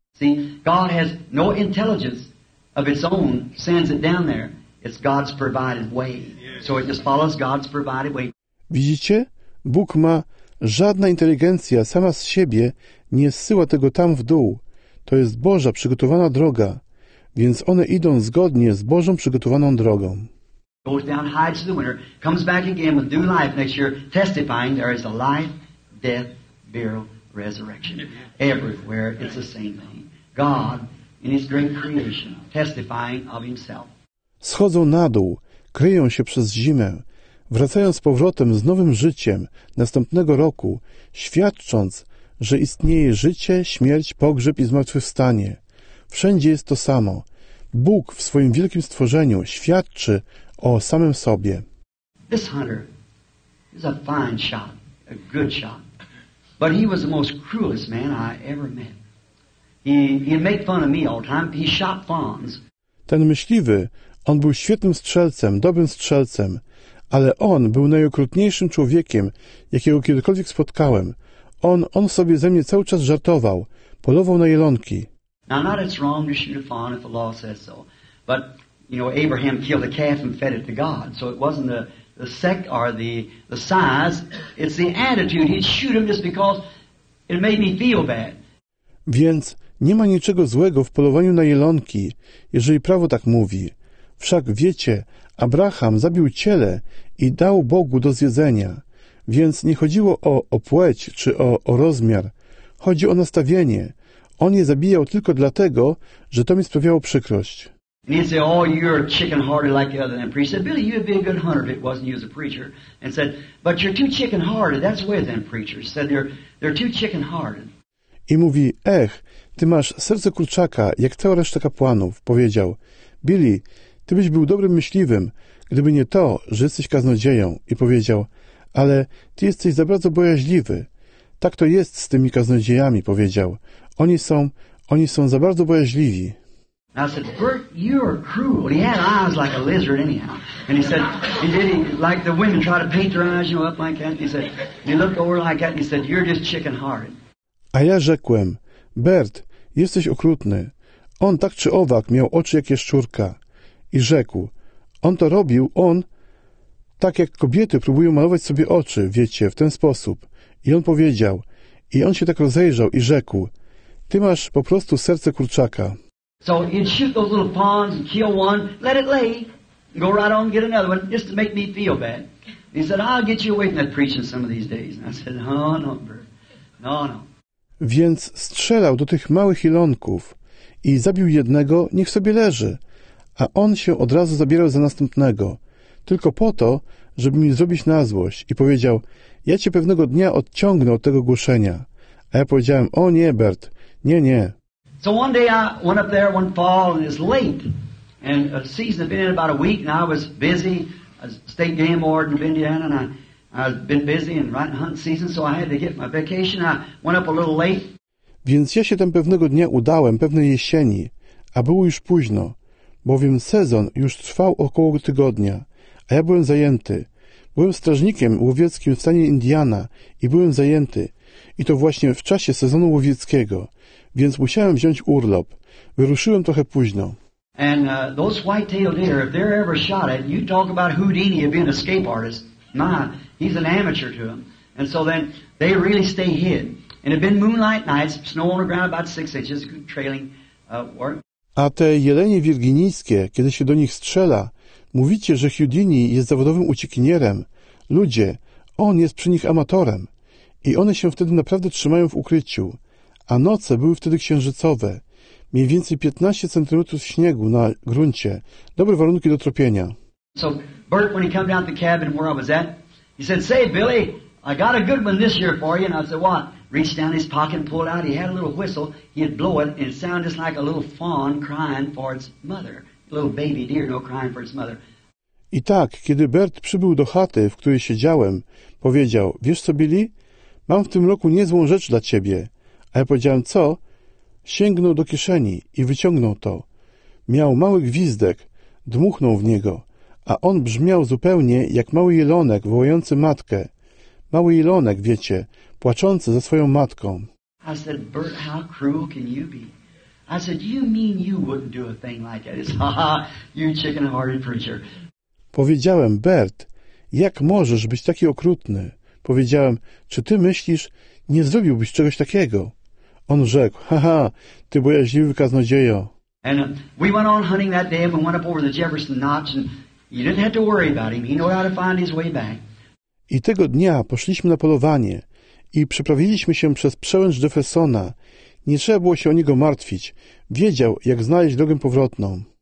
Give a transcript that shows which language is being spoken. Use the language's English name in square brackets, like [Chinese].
[English] See, God has no intelligence of its own, sends it down there. It's God's provided way. So it just follows God's provided way. [Polish] Widzicie? Bóg ma żadna inteligencja sama z siebie nie zsyła tego tam w dół. To jest Boża przygotowana droga. Więc one idą zgodnie z Bożą przygotowaną drogą. [English] Goes down, hides the winter, comes back again with new life next year, testifying there is a life, death, burial, resurrection. Everywhere it's the same thing. God in his great creation testifying of himself. [Polish] Schodzą na dół, kryją się przez zimę, wracają z powrotem z nowym życiem następnego roku, świadcząc, że istnieje życie, śmierć, pogrzeb i zmartwychwstanie. Wszędzie jest to samo. Bóg w swoim wielkim stworzeniu świadczy o samym sobie. [English] This hunter is a fine shot, a good shot. But he was the most cruelest man I ever met. He'd make fun of me all the time. He shot fawns. [Polish] Ten myśliwy, on był świetnym strzelcem, dobrym strzelcem, ale on był najokrutniejszym człowiekiem, jakiego kiedykolwiek spotkałem. On sobie ze mnie cały czas żartował, polował na jelonki. [English] Now, not it's wrong to shoot a fawn if the law says so, but you know Abraham killed a calf and fed it to God, so it wasn't the sex or the size, it's the attitude. He'd shoot him just because it made me feel bad. [Polish] Więc nie ma niczego złego w polowaniu na jelonki, jeżeli prawo tak mówi. Wszak wiecie, Abraham zabił ciele i dał Bogu do zjedzenia. Więc nie chodziło o płeć czy o rozmiar. Chodzi o nastawienie. On je zabijał tylko dlatego, że to mi sprawiało przykrość. [English] And he'd say, "Oh, you're chicken-hearted like the other." And the priest said, "Billy, you'd be a good hunter if it wasn't you as a preacher." And said, "But you're too chicken-hearted. That's the way of them preachers." Said, they're too chicken-hearted. [Polish] I mówi, "Ech, ty masz serce kurczaka, jak cała reszta kapłanów." Powiedział, "Billy, ty byś był dobrym myśliwym, gdyby nie to, że jesteś kaznodzieją." I powiedział, "Ale ty jesteś za bardzo bojaźliwy." "Tak to jest z tymi kaznodziejami," powiedział. Oni są za bardzo bojaźliwi. [English] I said, "Bert, you are cruel." He had eyes like a lizard anyhow. And he said, like the women try to paint their eyes, you know, up like that. And he said, he looked over like that and he said, "You're just chicken hearted." [Polish] A ja rzekłem, "Bert, jesteś okrutny. On tak czy owak miał oczy jak jaszczurka." I rzekł, "On to robił, on, tak jak kobiety próbują malować sobie oczy, wiecie, w ten sposób." I on powiedział, i on się tak rozejrzał i rzekł, "Ty masz po prostu serce kurczaka." [English] So you'd shoot those little fawns and kill one, let it lay, and go right on and get another one, just to make me feel bad. He said, "I'll get you away from that preaching some of these days." And I said, "No, Bert, no. [Polish] Więc strzelał do tych małych ilonków i zabił jednego, niech sobie leży. A on się od razu zabierał za następnego, tylko po to, żeby mi zrobić na złość. I powiedział, "Ja cię pewnego dnia odciągnę od tego głoszenia." A ja powiedziałem, "O nie, Bert, nie. [English] So one day I went up there one fall and it's late. And a season had been in about a week and I was busy. I was state game warden of Indiana and I've been busy and right in hunt season, so I had to get my vacation. I went up a little late. [Polish] Więc ja się tam pewnego dnia udałem, pewnej jesieni, a było już późno, bowiem sezon już trwał około tygodnia, a ja byłem zajęty. Byłem strażnikiem łowieckim w stanie Indiana i byłem zajęty. I to właśnie w czasie sezonu łowieckiego, więc musiałem wziąć urlop. Wyruszyłem trochę późno. [English] And those white-tailed deer, if they're ever shot at, you talk about Houdini being an escape artist. Nah, he's an amateur to them. And so then they really stay hid. And it'd been moonlight nights, snow on the ground about 6 inches, good trailing work. [Polish] A te jelenie wirginijskie, kiedy się do nich strzela, mówicie, że Houdini jest zawodowym uciekinierem. Ludzie, on jest przy nich amatorem. I one się wtedy naprawdę trzymają w ukryciu. A noce były wtedy księżycowe. Mniej więcej 15 centymetrów śniegu na gruncie. Dobre warunki do tropienia. [English] So Bert, when he came down to the cabin where I was at, he said, "Say, Billy, I got a good one this year for you." And I said, "What?" Reached down his pocket and pulled out. He had a little whistle. He'd blow it and it sounded just like a little fawn crying for its mother. A little baby deer, no, crying for its mother. [Polish] I tak, kiedy Bert przybył do chaty, w której siedziałem, powiedział, "Wiesz co, Billy? Mam w tym roku niezłą rzecz dla ciebie." A ja powiedziałem, "Co?" Sięgnął do kieszeni i wyciągnął to. Miał mały gwizdek, dmuchnął w niego, a on brzmiał zupełnie jak mały jelonek wołający matkę. Mały jelonek, wiecie, płaczący za swoją matką. [English] I said, "Bert, how cruel can you be?" I said, "You mean you wouldn't do a thing like that?" It's, "Ha ha, you chicken-hearted preacher." [Polish] Powiedziałem, "Bert, jak możesz być taki okrutny?" Powiedziałem, "Czy ty myślisz, nie zrobiłbyś czegoś takiego?" On rzekł, "Haha, ty bojaźliwy kaznodziejo." [English] And we went on hunting that day and we went up over the Jefferson Notch and you didn't have to worry about him. He knew how to find his way back. [Polish] I tego dnia poszliśmy na polowanie i przeprawiliśmy się przez przełęcz Jeffersona. Nie trzeba było się o niego martwić. Wiedział, jak znaleźć drogę powrotną.